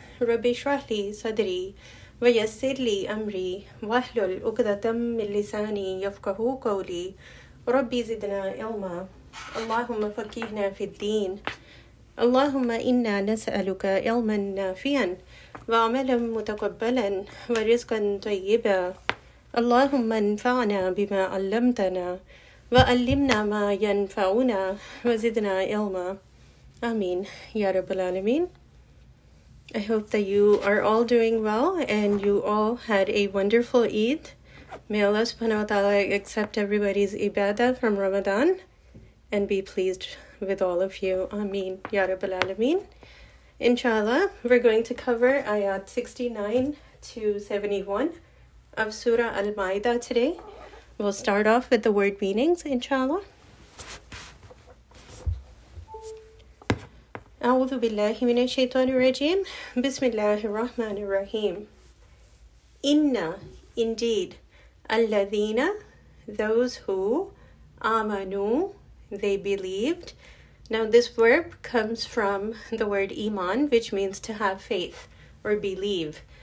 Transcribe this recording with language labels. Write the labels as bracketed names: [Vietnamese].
[Arabic] رب اشرح لي صدري ويسر لي أمري واحلل عقدة من لساني يفقه قولي رب زدنا علما اللهم فقهنا في الدين اللهم إنا نسألك علما نافعا وعملا متقبلا ورزقا طيبا اللهم انفعنا بما علمتنا وعلمنا ما ينفعنا وزدنا علما آمين يا رب العالمين. [English] I hope that you are all doing well and you all had a wonderful Eid. May Allah subhanahu wa ta'ala accept everybody's ibadah from Ramadan and be pleased with all of you. Ameen. Ya Rabbal Alameen. Inshallah, we're going to cover ayat 69 to 71 of Surah Al-Ma'idah today. We'll start off with the word meanings, inshallah. [Arabic] أعوذ بالله من الشيطان الرجيم. بسم الله الرحمن الرحيم. [English] إن indeed الذين those who آمنوا they believed. Now this verb comes from the word iman, which means to have faith or believe.